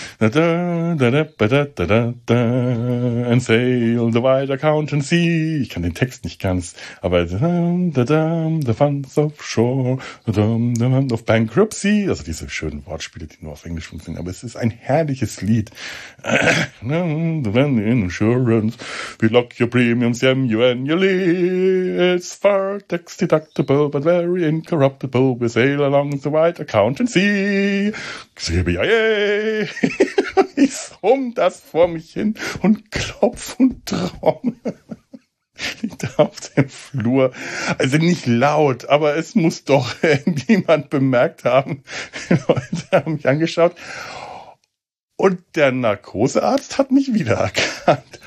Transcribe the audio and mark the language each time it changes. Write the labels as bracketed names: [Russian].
[English] And sail the wide accountant sea. [German] Ich kann den Text nicht ganz, aber [English] the funds offshore, the funds of bankruptcy. [German] Also diese schönen Wortspiele, die nur auf Englisch funktionieren, aber es ist ein herrliches Lied. [English] The insurance, we lock your premiums annually. It's far tax deductible, but very incorruptible. We say along the white accountancy. CBIA. [German] Ich summ das vor mich hin und klopf und trommel. Liegt da auf dem Flur. Also nicht laut, aber es muss doch irgendjemand bemerkt haben. Die Leute haben mich angeschaut. Und der Narkosearzt hat mich wiedererkannt.